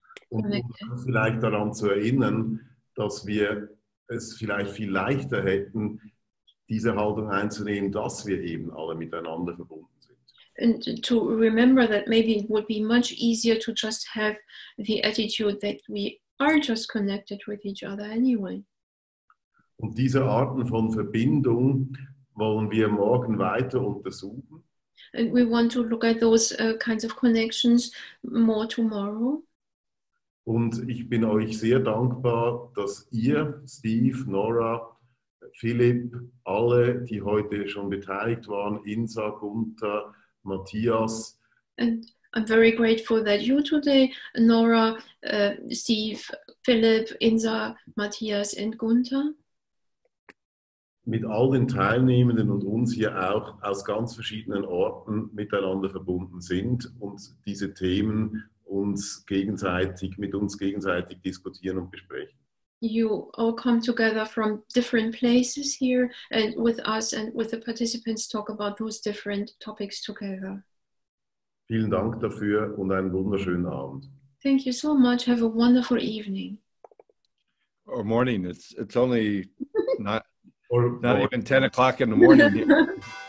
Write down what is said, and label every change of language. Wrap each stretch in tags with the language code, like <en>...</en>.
<en>connected.</en> <de>Und vielleicht daran zu erinnern, dass wir es vielleicht viel leichter hätten, diese Haltung einzunehmen, dass wir eben alle miteinander verbunden sind.</de> <en>And to remember that maybe it would be much easier to just have the attitude that we are just connected with each other anyway.</en> <de>Und diese Arten von Verbindung wollen wir morgen weiter untersuchen.</de> <en>And we want to look at those kinds of connections more tomorrow.</en> <de>Und ich bin euch sehr dankbar, dass ihr, Steve, Nora, Philipp, alle, die heute schon beteiligt waren, Insa, Gunther, Matthias.</de> <en>And I'm very grateful that you today, Nora, Steve, Philipp, Insa, Matthias and Gunther.</en> <de>Mit all den Teilnehmenden und uns hier auch aus ganz verschiedenen Orten miteinander verbunden sind und diese Themen uns gegenseitig, mit uns gegenseitig diskutieren und besprechen.</de> <en>you all come together from different places here and with us and with the participants talk about those different topics together.</en> <de>Vielen Dank dafür und einen wunderschönen Abend.</de> <en>Thank you so much. Have a wonderful evening. Or morning. It's only not even 10 o'clock in the morning.</en>